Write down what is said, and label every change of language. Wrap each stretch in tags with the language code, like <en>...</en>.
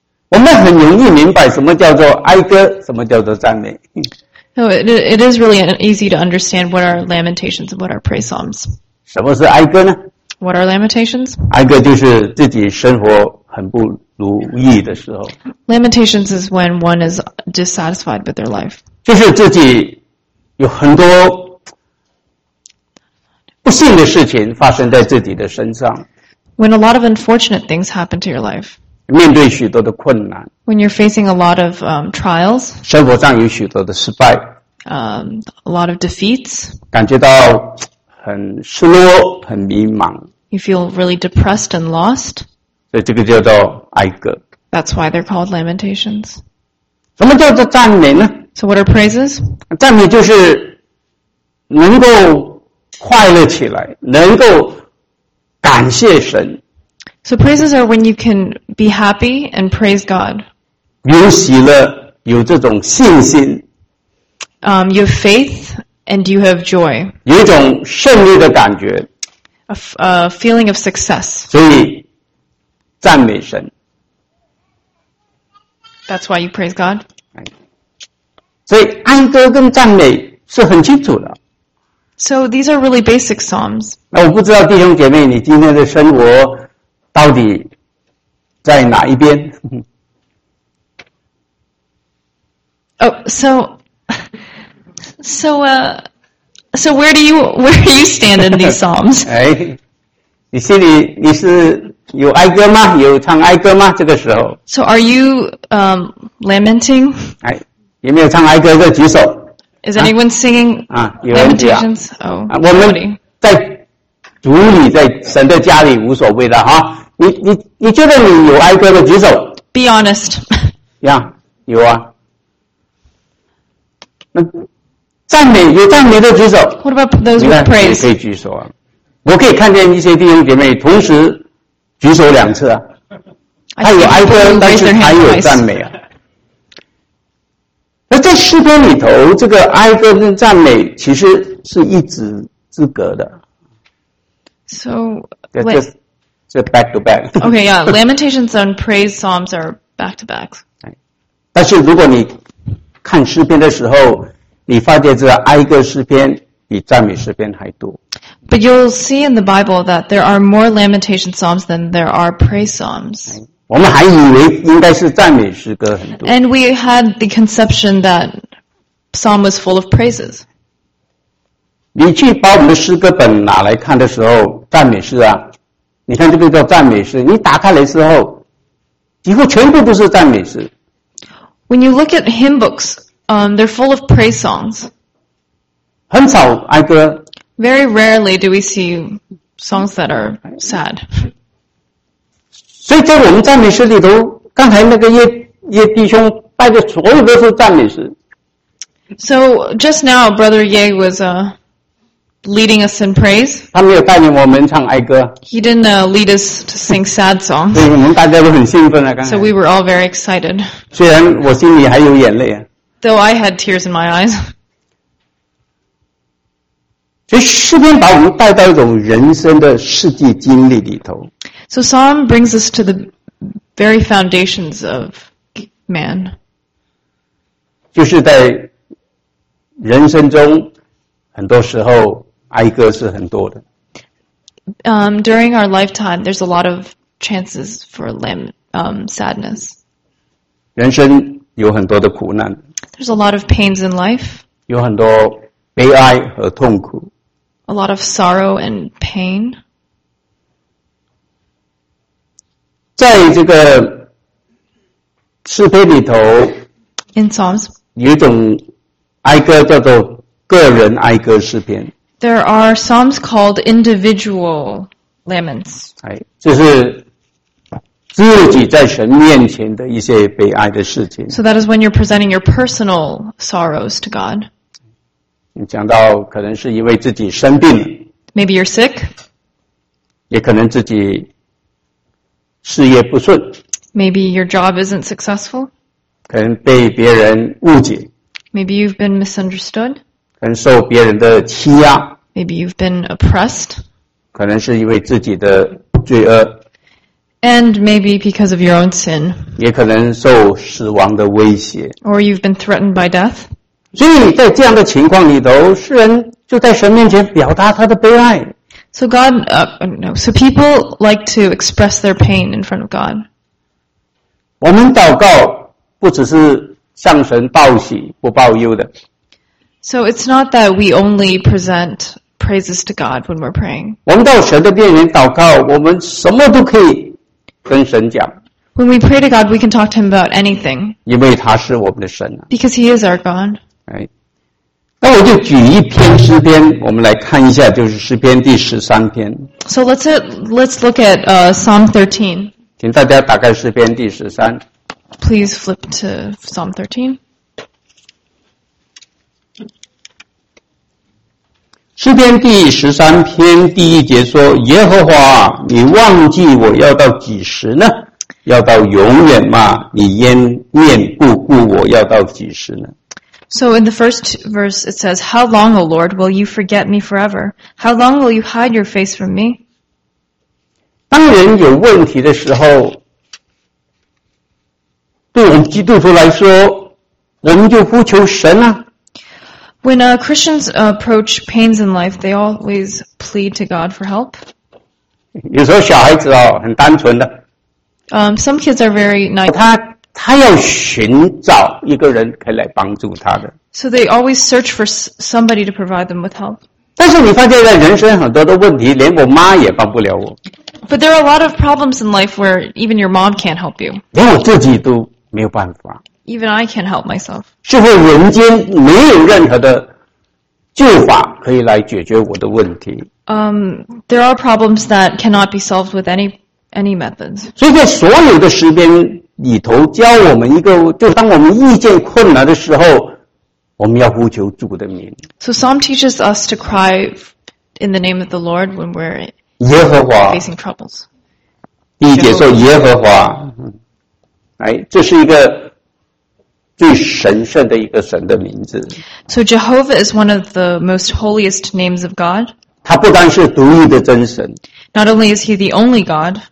<zh>我们很容易明白什么叫做哀歌，什么叫做赞美。</zh> <en>No, it is really easy to understand what are lamentations and what are praise psalms.</en> <zh>什么是哀歌呢？</zh> <en>What are lamentations?</en> <zh>哀歌就是自己生活很不如意的时候。</zh> <en>Lamentations is when one is dissatisfied with their life.</en> <zh>就是自己有很多不幸的事情发生在自己的身上。</zh> <en>When a lot of unfortunate things happen to your life.</en> <zh>面对许多的困难。</zh> <en>When you're facing a lot of trials.</en> <zh>生活上有许多的失败。</zh> <en>A lot of defeats.</en> <zh>感觉到很失落，很迷茫。</zh> <en>You feel really depressed and lost.</en> <zh>所以这个叫做哀歌。</zh> <en>That's why they're called lamentations.</en> <zh>什么叫做赞美呢？</zh> <en>So what are praises?</en> <zh>赞美就是能够快乐起来，能够感谢神。</zh> <en>So praises are when you can be happy and praise God.</en> <zh>有喜乐，有这种信心。</zh> <en>You have faith and you have joy.</en> <zh>有一种胜利的感觉。</zh> <en>A feeling of success.</en> <zh>所以赞美神。</zh> <en>That's why you praise God.</en> <zh>所以哀歌跟赞美是很清楚的。</zh> <en>So these are really basic psalms.</en> <zh>那我不知道弟兄姐妹，你今天的生活到底在哪一边？</zh> <en>So where do you stand in these psalms?</en> <zh>哎，你心里你是有哀歌吗？有唱哀歌吗？这个时候</zh> <en>？So are you lamenting?</en> <zh>哎，有没有唱哀歌的举手</zh> <en>？Is anyone singing lamentations?</en> <zh>我们在主里，在神的家里无所谓的哈。你觉得你有哀歌的举手</zh> <en>？Be honest.</en> <zh>Yeah, 有啊。那赞美有赞美的举手。</zh> <en>What about those with praise?</en> <zh>你可以举手啊。我可以看见一些弟兄姐妹同时举手两次啊。他有哀歌，但是他有赞美啊。那在诗篇里头，这个哀歌跟赞美其实是一字之隔的。</zh> <en>So let's. So back to back. Okay, yeah. Lamentations and praise psalms are back to back.</en> <zh>但是如果你看诗篇的时候，你发现这哀歌诗篇比赞美诗篇还多。</zh> <en>But you'll see in the Bible that there are more lamentation psalms than there are praise psalms.</en> <zh>我们还以为应该是赞美诗歌很多。</zh> <en>And we had the conception that psalm was full of praises.</en> <zh>你去把我们的诗歌本拿来看的时候，赞美诗啊。你看这个叫赞美诗，你打开来之后，几乎全部都是赞美诗。</zh> <en>When you look at hymn books, they're full of praise songs.</en> <zh>很少哀歌。</zh> <en>Very rarely do we see songs that are sad.</en> <zh>所以在我们赞美诗里头，刚才那个叶弟兄带的所有都是赞美诗。</zh> <en>So just now, Brother Ye was leading us in praise.</en> <zh>他没有带领我们唱哀歌。</zh> <en>He didn't lead us to sing sad songs.</en> <zh>所以我们大家都很兴奋啊！刚才。</zh> <en>So we were all very excited.</en> <zh>虽然我心里还有眼泪啊。</zh> <en>Though I had tears in my eyes.</en> <zh>所以诗篇把我们带到一种人生的实际经历里头。</zh> <en>So Psalm brings us to the very foundations of man.</en> <zh>就是在人生中很多时候哀歌是很多的。</zh> <en>During our lifetime, there's a lot of chances for sadness.</en> <zh>人生有很多的苦难。</zh> <en>There's a lot of pains in life.</en> <zh>有很多悲哀和痛苦。</zh> <en>A lot of sorrow and pain.</en> <zh>在这个诗篇里头</zh> <en>，In Psalms,</en> <zh>有一种哀歌叫做个人哀歌诗篇。</zh> <en>There are psalms called individual laments.</en> <zh>哎，这是自己在神面前的一些悲哀的事情。</zh> <en>So that is when you're presenting your personal sorrows to God.</en> <zh>你讲到可能是因为自己生病了。</zh> <en>Maybe you're sick.</en> <zh>也可能自己事业不顺。</zh> <en>Maybe your job isn't successful.</en> <zh>可能被别人误解。</zh> <en>Maybe you've been misunderstood.</en> <zh>可能受别人的欺压。</zh> <en>Maybe you've been oppressed.</en> <zh>可能是因为自己的罪恶。</zh> <en>And maybe because of your own sin.</en> <zh>也可能受死亡的威胁。</zh> <en>Or you've been threatened by death.</en> <zh>所以在这样的情况里头，世人就在神面前表达他的悲哀。</zh> <en>So God, no. So people like to express their pain in front of God.</en> <zh>我们祷告不只是向神报喜不报忧的。</zh> <en>So it's not that we only present praises to God when we're praying.</en> <zh>我们到神的面前祷告，我们什么都可以跟神讲。</zh> <en>When we pray to God, we can talk to Him about anything.</en> <zh>因为他是我们的神。</zh> <en>Because He is our God. 哎。</en> <zh>那我就举一篇诗篇，我们来看一下，就是诗篇第十三篇。</zh> <en>So let's look at Psalm 13.</en> <zh>请大家打开诗篇第十三。</zh> <en>Please flip to Psalm 13.</en> <zh>诗篇第十三篇第一节说：“耶和华，你忘记我要到几时呢？要到永远吗？你掩面不顾我要到几时呢？”</zh> <en>So in the first verse it says, How long, O Lord, will you forget me forever? How long will you hide your face from me?</en> <zh>当人有问题的时候，对我们基督徒来说，我们就呼求神啊。</zh> <en>When Christians approach pains in life, they always plead to God for help.</en> <zh>有时候小孩子哦，很单纯的。</zh> <en>Some kids are very naive.</en> <zh>他要寻找一个人可以来帮助他的。</zh> <en>So they always search for somebody to provide them with help.</en> <zh>但是你发现在人生很多的问题，连我妈也帮不了我。</zh> <en>But there are a lot of problems in life where even your mom can't help you.</en> <zh>连我自己都没有办法。</zh> <en>Even I can't help myself.</en> <zh>是否人间没有任何的救法可以来解决我的问题？</zh> <en>There are problems that cannot be solved with any methods.</en> <zh>所以在所有的诗篇里头教我们一个，就当我们遇见困难的时候，我们要呼求主的名。</zh> <en>So Psalm teaches us to cry in the name of the Lord when we're</en> <zh>耶和华</zh> <en>facing troubles.</en> <zh>第一节说耶和华，哎，这是一个最神圣的一个神的名字。</zh> <en>So Jehovah is one of the most holiest names of God.</en> <zh>他不单是独一的真神。</zh> <en>Not only is He the only God.</en>